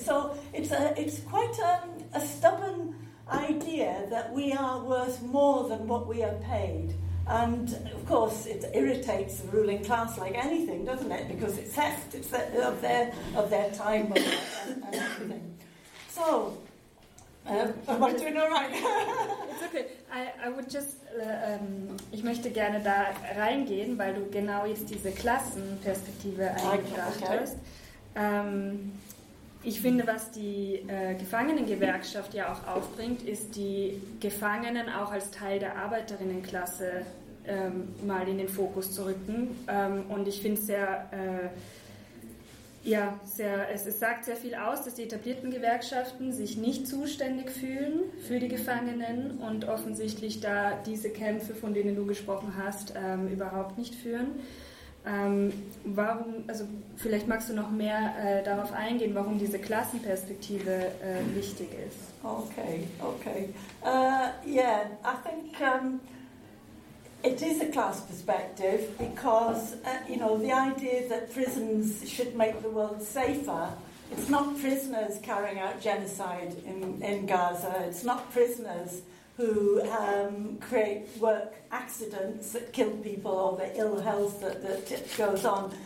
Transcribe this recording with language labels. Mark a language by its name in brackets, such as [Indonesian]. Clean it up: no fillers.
[English] So it's quite a stubborn idea that we are worth more than what we are paid. And, of course, it irritates the ruling class like anything, doesn't it? Because it's theft, it's of their time and everything. So, am I doing all right? I would just, [German] ich möchte gerne da reingehen, weil du genau jetzt diese Klassenperspektive eingebracht hast. Ich finde, was die Gefangenengewerkschaft ja auch aufbringt, ist die Gefangenen auch als Teil der Arbeiterinnenklasse mal in den Fokus zu rücken. Und ich finde es sehr, es sagt sehr viel aus, dass die etablierten Gewerkschaften sich nicht zuständig fühlen für die Gefangenen und offensichtlich da diese Kämpfe, von denen du gesprochen hast, überhaupt nicht führen. Warum, also vielleicht magst du noch mehr darauf eingehen, warum diese Klassenperspektive wichtig ist. Okay. [English] I think it is a class perspective because, the idea that prisons should make the world safer, it's not prisoners carrying out genocide in Gaza, it's not prisoners who create work accidents that kill people or the ill health that goes on.